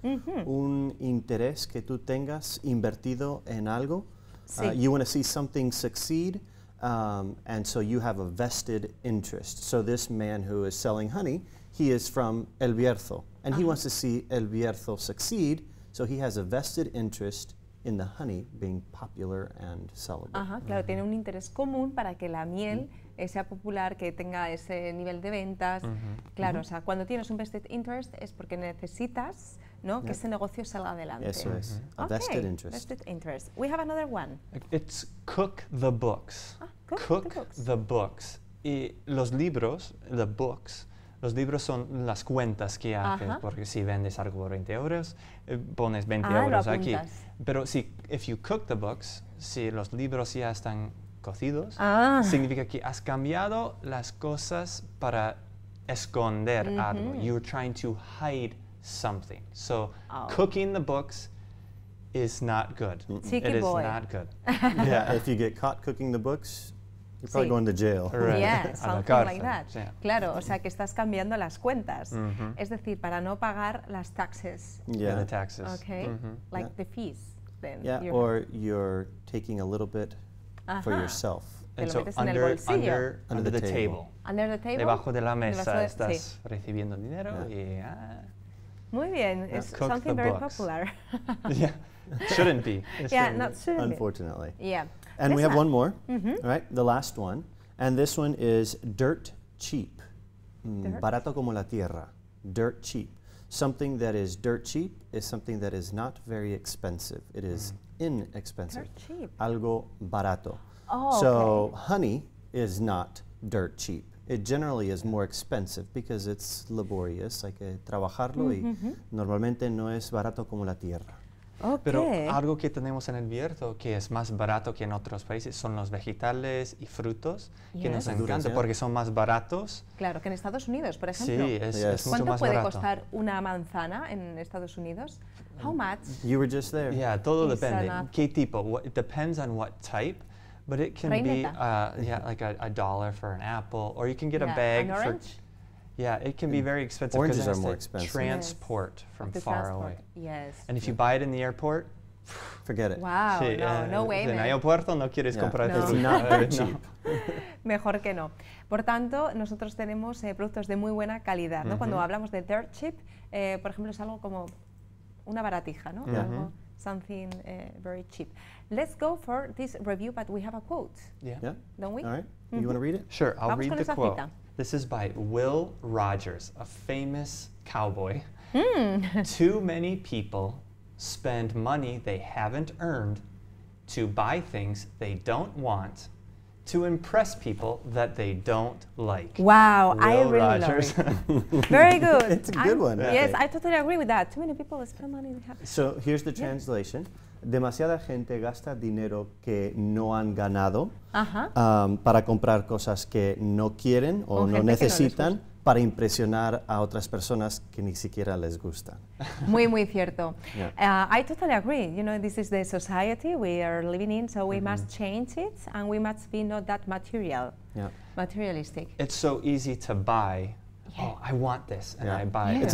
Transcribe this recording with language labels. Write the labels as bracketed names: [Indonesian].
[Spanish] Un interés que tú tengas invertido en algo. [English] You want to see something succeed, and so you have a vested interest. So this man who is selling honey, he is from El Bierzo, and he wants to see El Bierzo succeed, so he has a vested interest in the honey being popular and sellable. [Spanish] Claro, tiene un interés común para que la miel sea popular, que tenga ese nivel de ventas. Claro, o sea, cuando tienes un vested interest es porque necesitas... No, que ese negocio salga adelante. Eso es. A vested interest. [English] Vested interest. We have another one. It's cook the books. Cook the books. [Spanish] Y los libros, the books, los libros son las cuentas que haces. Porque si vendes algo por 20 euros, pones 20 euros aquí. Pero si, [English] if you cook the books, [Spanish] si los libros ya están cocidos, significa que has cambiado las cosas para esconder algo. [English] You're trying to hide something. So cooking the books is not good. Cheeky boy. Yeah, if you get caught cooking the books, you're probably going to jail. Right. Yeah, something like that. Yeah. [Spanish] Claro, o sea que estás cambiando las cuentas. Es decir, para no pagar las taxes. [English] Yeah, the taxes. Okay, like the fees. Then you're taking a little bit for yourself. And so under the table. [Spanish] Debajo de la mesa estás recibiendo dinero Muy bien, [English] it's something very popular. Shouldn't be. Unfortunately. Yeah. And we have one more, right? The last one. And this one is dirt cheap. [Spanish] Barato como la tierra. Dirt cheap. [English] Something that is dirt cheap is something that is not very expensive. It is inexpensive. Dirt cheap. [Spanish] Algo barato. Oh, [English] so honey is not dirt cheap. It generally is more expensive because it's laborious. [Spanish] Hay que trabajarlo y normalmente no es barato como la tierra. [English] Okay. [Spanish] Pero algo que tenemos en el Bierzo que es más barato que en otros países son los vegetales y frutos que nos encantan porque son más baratos. Claro, que en Estados Unidos, por ejemplo. Sí, es mucho ¿Cuánto más puede barato. Costar una manzana en Estados Unidos? [English] How much? You were just there. Yeah, [Spanish] todo depende. ¿Qué tipo? [English] It depends on what type. But it can be like a dollar for an apple, or you can get a bag an orange? It can be very expensive. Oranges are more expensive. Transport from the far transport. Away. Yes. And if you buy it in the airport, forget it. Wow. Sí, no way. [Spanish] En aeropuerto no quieres comprar. [English] It's not very cheap. [Spanish] Mejor que no. Por tanto, nosotros tenemos productos de muy buena calidad. ¿No? Cuando hablamos de dirt cheap, por ejemplo, es algo como una baratija, ¿no? [English] Something very cheap. Let's go for this review, but we have a quote. Yeah. Don't we? All right. You want to read it? Sure. I'll read the quote. This is by Will Rogers, a famous cowboy. Too many people spend money they haven't earned to buy things they don't want to impress people that they don't like. Wow, Will I really Rogers. Love it. Very good. It's a good one. Yes, I totally agree with that. Too many people spend money they haven't. So here's the translation. [Spanish] Demasiada gente gasta dinero que no han ganado para comprar cosas que no quieren o no necesitan, no para impresionar a otras personas que ni siquiera les gustan. Muy, muy cierto. [English] Yeah. I totally agree. You know, this is the society we are living in, so we mm-hmm. must change it, and we must be not that material, yeah. materialistic. It's so easy to buy. Yeah. Oh, I want this, and yeah. I buy yes. it.